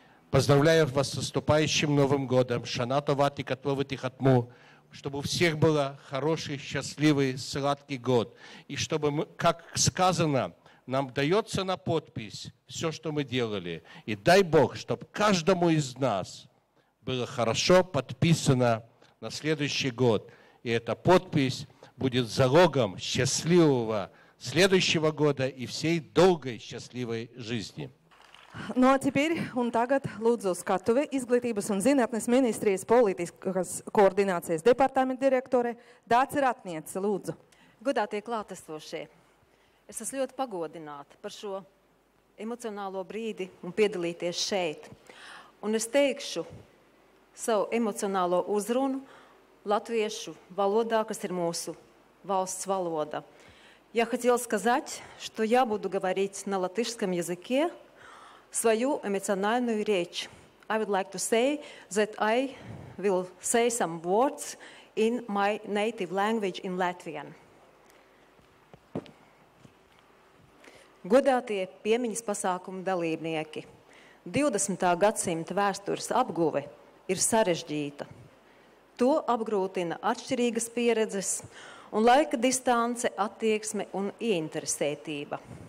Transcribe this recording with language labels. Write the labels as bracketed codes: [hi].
[ru] Поздравляю вас с наступающим Новым годом, [he] Шана Това Тикатво Ватихатму, [ru] чтобы у всех был хороший, счастливый, сладкий год, и чтобы, мы, как сказано, нам дается на подпись все, что мы делали. И дай Бог, чтобы каждому из нас было хорошо подписано на следующий год. И эта подпись будет залогом счастливого следующего года и всей долгой счастливой жизни. Ну а теперь [lv] он тагад лудзу скатуве изглитības un zinātnes ministrijas politiskas koordinācijas departamenta direktore Dāce Ratniece lūdzu. Godātie klātesošie! Es esmu ļoti pagodināta par šo emocionālo brīdi un piedalīties šeit. Un es teikšu savu emocionālo uzrunu latviešu valodā, kas ir mūsu valsts valoda. [ru] Я хотел сказать, что я буду говорить на латышском языке свою эмоциональную речь. [en] I would like to say that I will say some words in my native language in Latvian. [lv] Godātie piemiņas pasākumu dalībnieki, 20. Gadsimta vēstures apguve ir sarežģīta. To apgrūtina atšķirīgas pieredzes un laika distance, attieksme un ieinteresētība.